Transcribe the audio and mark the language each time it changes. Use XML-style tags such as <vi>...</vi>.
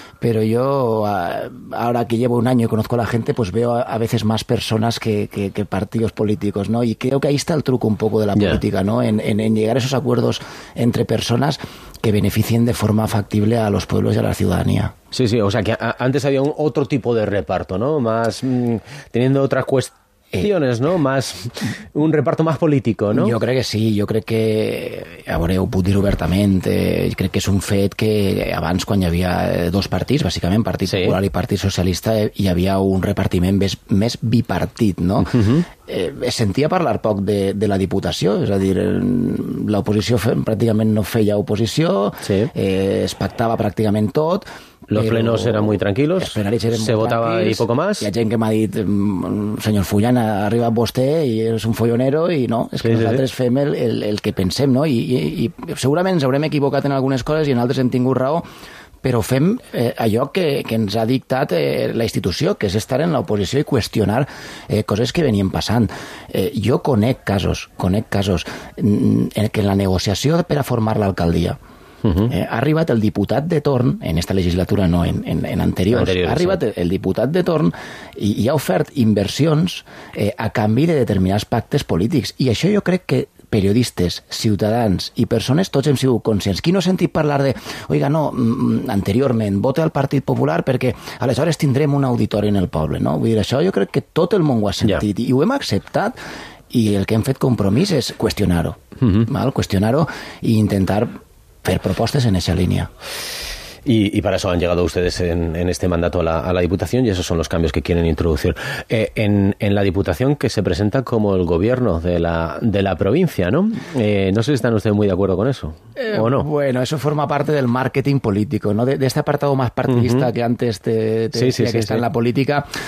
<es>Pero yo, ahora que llevo un año y conozco a la gente, pues veo a veces más personas que partidos políticos, ¿no? Y creo que ahí está el truco un poco de la política, ¿no? En llegar a esos acuerdos entre personas que beneficien de forma factible a los pueblos y a la ciudadanía. Sí, sí, o sea que antes había otro tipo de reparto, ¿no? Más teniendo otras cuestiones. ¿No? Más un reparto más político, ¿no?</es> <ca>Jo crec que sí, jo crec que, a veure, ho puc dir obertament, crec que és un fet que abans, quan hi havia dos partits, bàsicament Partit Popular i Partit Socialista, hi havia un repartiment més bipartit, no? Es sentia parlar poc de la Diputació, és a dir, l'oposició pràcticament no feia oposició, es pactava pràcticament tot.</ca> <es>Los plenos eran muy tranquilos, se votaba y poco más. Y hay gente que me ha dicho, señor Fullana, arriba usted y es un follonero, y no, es que nosotros</es> <ca>fem el que pensem,</ca> <es>¿no? Y seguramente nos</es> <ca>habrem equivocat en algunes coses y en altres hem tingut raó, però fem allò que ens ha dictat la institució, que és estar en l'oposició i qüestionar coses que venien passant. Jo conec casos en què la negociació per a formar l'alcaldia ha arribat el diputat de torn, en esta legislatura no, en anteriors, ha arribat el diputat de torn i ha ofert inversions a canvi de determinats pactes polítics. I això jo crec que periodistes, ciutadans i persones, tots hem sigut conscients. Qui no ha sentit parlar de, oiga, no, anteriorment, vote al Partit Popular perquè aleshores tindrem un auditori en el poble, no? Vull dir, això jo crec que tot el món ho ha sentit i ho hem acceptat. I el que hem fet Compromís és qüestionar-ho, val? Qüestionar-ho i intentar fer propostes en aquesta línia.</ca> <es>Y para eso han llegado ustedes en este mandato a la Diputación, y esos son los cambios que quieren introducir. En la Diputación, que se presenta como el gobierno de la provincia, ¿no? No sé si están ustedes muy de acuerdo con eso, ¿o no? Bueno, eso forma parte del marketing político, ¿no? De este apartado más partidista que antes te decía que está en la política.</es>